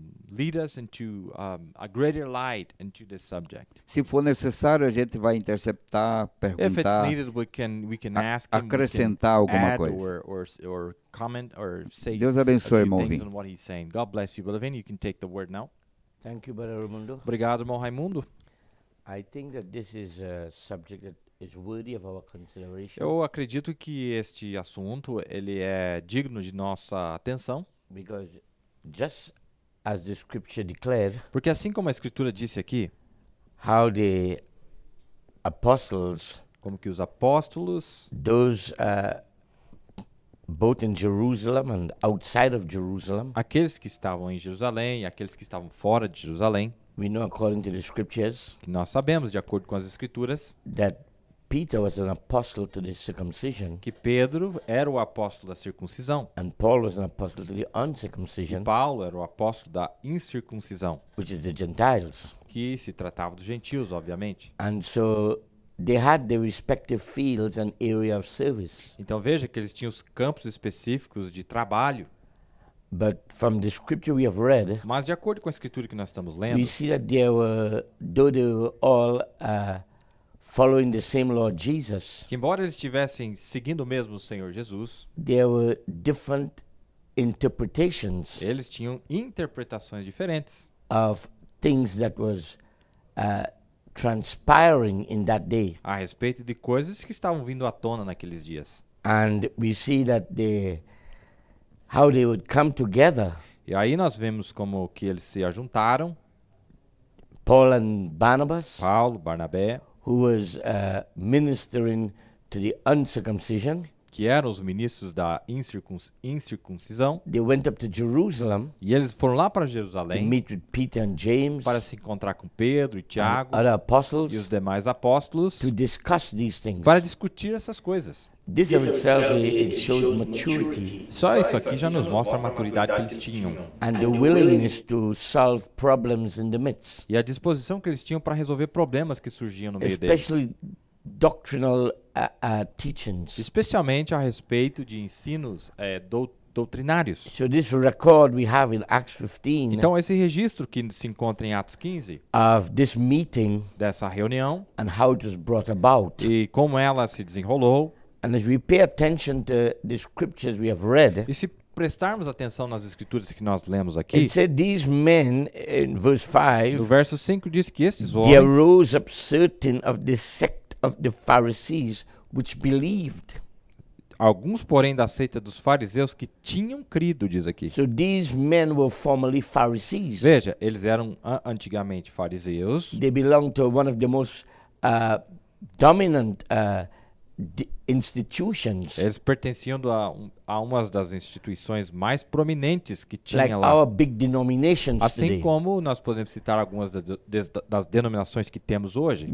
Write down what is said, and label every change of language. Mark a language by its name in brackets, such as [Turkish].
[English] Lead us into a greater light into this subject. [Portuguese] Se for necessário, a gente vai interceptar, perguntar. [English] If it's needed, we can ask him, [Portuguese] acrescentar alguma coisa. [English] Or comment or say. [Portuguese] Deus abençoe, irmão [English] Vim. What he's saying. God bless you, Belavin. You can take the word now. Thank you, Brother Raimundo. [Portuguese] Obrigado, irmão Raimundo. [English] I think that this is a subject that is worthy of our consideration. [Portuguese] Eu acredito que este assunto ele é digno de nossa atenção. [English] Because just as the scripture declared, [Portuguese] porque assim como a escritura disse aqui, [English] how the apostles, [Portuguese] como que os apóstolos, [English] those both in Jerusalem and outside of Jerusalem, [Portuguese] aqueles que estavam em Jerusalém e aqueles que estavam fora de Jerusalém, [English] we know according to the scriptures, [Portuguese] que nós sabemos de acordo com as escrituras, [English] that Peter was an apostle to the circumcision. [Portuguese] Que Pedro era o apóstolo da circuncisão. [English] And Paul was an apostle to the uncircumcision. [Portuguese] E Paulo era o apóstolo da incircuncisão. [English] Which is the Gentiles. [Portuguese] Que se tratava dos gentios, obviamente. [English] And so they had their respective fields and area of service. [Portuguese] Então veja que eles tinham os campos específicos de trabalho. [English] But from the scripture we have read, [Portuguese] mas de acordo com a escritura que nós estamos lendo, [English] we see that they were all following the same Lord Jesus, [Portuguese] que embora eles estivessem seguindo mesmo o Senhor Jesus, [English] there were different interpretations, [Portuguese] eles tinham interpretações diferentes [English] of things that was transpiring in that day, [Portuguese] a respeito de coisas que estavam vindo à tona naqueles dias. [English] And we see that how they would come together, [Portuguese] e aí nós vemos como que eles se ajuntaram, [English] Paul and Barnabas, [Portuguese] Paulo, Barnabé, [English] who was ministering to the uncircumcision, [Portuguese] que eram os ministros da incircuncisão. [English] They went up to Jerusalem, [Portuguese] e eles foram lá para Jerusalém, [English] to meet with Peter and James, [Portuguese] para se encontrar com Pedro e Tiago, [English] and other apostles, [Portuguese] e os demais apóstolos, [English] to discuss these things, [Portuguese] para discutir essas coisas. [English] This of itself, it shows maturity. [Portuguese] Só isso aqui já nos mostra a maturidade que eles tinham. [English] And the willingness to solve problems in the midst. [Portuguese] E a disposição que eles tinham para resolver problemas que surgiam no meio deles. [English] Especially doctrinal teachings. [Portuguese] Especialmente a respeito de ensinos doutrinários. [English] So this record we have in Acts 15. [Portuguese] Então esse registro que se encontra em Atos 15. [English] Of this meeting. [Portuguese] Dessa reunião. [English] And how it was brought about. [Portuguese] E como ela se desenrolou. [English] And as we pay attention to the scriptures we have read, [Portuguese] e se prestarmos atenção nas escrituras que nós lemos aqui, [English] it said these men in verse 5, [Portuguese] no verso 5 diz que estes homens, [English] there arose up certain of the sect of the Pharisees which believed. [Portuguese] Alguns, porém, da seita dos fariseus que tinham crido, diz aqui. [English] So these men were formerly Pharisees. [Portuguese] Veja, eles eram antigamente fariseus. [English] They belonged to one of the most dominant institutions. [Portuguese] Eles pertenciam a uma das instituições mais prominentes que tinha [English] like [Portuguese] lá. [English] Our big denominations [Portuguese] assim [English] today. [Portuguese] Como nós podemos citar algumas das denominações que temos hoje.